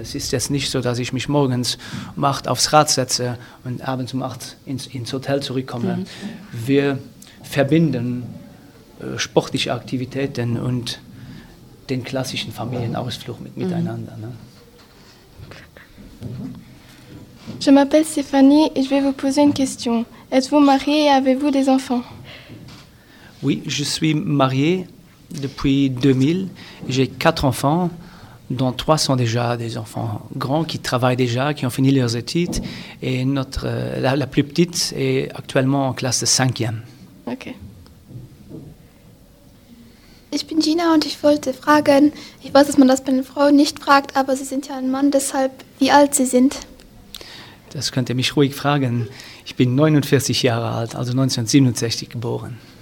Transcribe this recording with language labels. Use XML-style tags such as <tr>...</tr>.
<de>Es ist jetzt nicht so, dass ich mich morgens um 8 aufs Rad setze und abends um 8 ins Hotel zurückkomme. Mhm. Wir verbinden sportliche Aktivitäten und den klassischen Familienausflug miteinander. Ne?</de> <fr>Je m'appelle Stéphanie et je vais vous poser une question. Êtes-vous mariée et avez-vous des enfants? Oui, je suis mariée depuis 2000. J'ai 4 enfants, dont 3 sont déjà des enfants grands qui travaillent déjà, qui ont fini leurs études. Et la plus petite est actuellement en classe de 5e. Ok.</fr> <de>Ich bin Gina und ich wollte fragen, ich weiß, dass man das bei einer Frau nicht fragt, aber Sie sind ja ein Mann, deshalb wie alt Sie sind? Das könnt ihr mich ruhig fragen. Ich bin 49 Jahre alt, also 1967 geboren.</de>